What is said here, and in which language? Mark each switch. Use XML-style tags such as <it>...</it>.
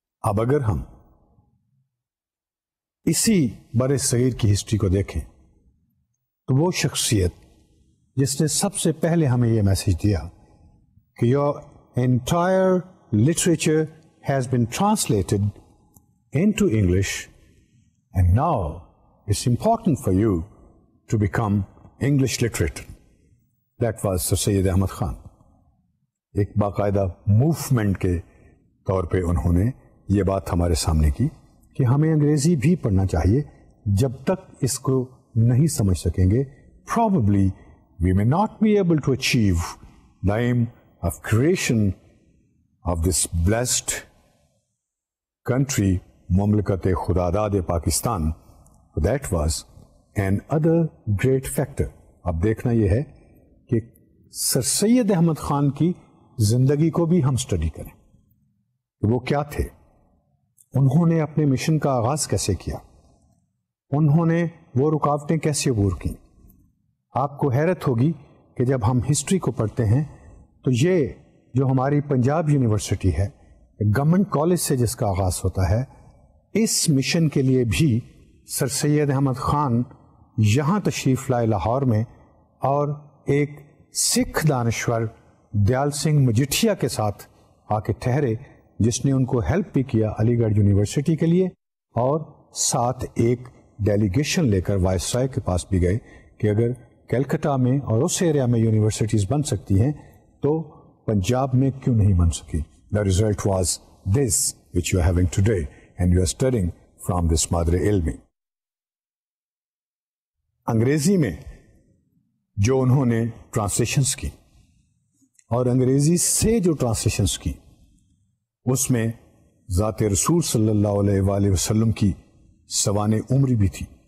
<ur>اب اگر ہم اسی برے صغیر کی ہسٹری کو دیکھیں تو وہ شخصیت جس نے سب سے پہلے ہمیں یہ میسج دیا کہ</ur> <en>your entire literature has been translated into English and now it's important for you to become English literate,</en> <ur>that was سر سید احمد خان. ایک باقاعدہ موومنٹ کے طور پہ انہوں نے یہ بات ہمارے سامنے کی کہ ہمیں انگریزی بھی پڑھنا چاہیے. جب تک اس کو نہیں سمجھ سکیں گے</ur> <en>Probably we may not be able to achieve the aim of creation of this blessed country مملکت خدا داد Pakistan. That was another great factor.</en> <ur>اب دیکھنا یہ ہے کہ سر سید احمد خان کی زندگی کو بھی ہم سٹڈی کریں کہ وہ کیا تھے, انہوں نے اپنے مشن کا آغاز کیسے کیا, انہوں نے وہ رکاوٹیں کیسے عبور کی. آپ کو حیرت ہوگی کہ جب ہم ہسٹری کو پڑھتے ہیں تو یہ جو ہماری پنجاب یونیورسٹی ہے, گورنمنٹ کالج سے جس کا آغاز ہوتا ہے, اس مشن کے لیے بھی سر سید احمد خان یہاں تشریف لائے لاہور میں, اور ایک سکھ دانشور دیال سنگھ مجٹھیا کے ساتھ آ کے ٹھہرے جس نے ان کو ہیلپ بھی کیا علی گڑھ یونیورسٹی کے لیے, اور ساتھ ایک ڈیلیگیشن لے کر وائسرائے کے پاس بھی گئے کہ اگر کلکتہ میں اور اس ایریا میں یونیورسٹیز بن سکتی ہیں تو پنجاب میں کیوں نہیں بن سکی.</ur> <en>The result was this which you are having today and you are studying from this مادر علمی.</en> <ur>انگریزی میں جو انہوں نے ٹرانسلیشنس کی اور انگریزی سے جو ٹرانسلیشنس کی اس میں ذات رسول صلی اللہ علیہ وآلہ وسلم کی سوان عمری بھی تھی.</ur>